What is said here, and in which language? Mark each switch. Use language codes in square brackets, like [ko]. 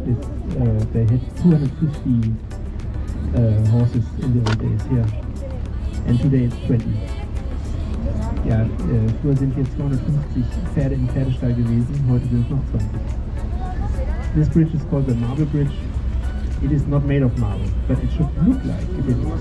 [en] It's, they had 250 horses in the old days here. And today it's 20. [de] Ja, früher sind hier 250 Pferde im Pferdestall gewesen, heute sind es noch 20. [en] This bridge is called the Marble Bridge. It is not made of marble, but it should look like it is.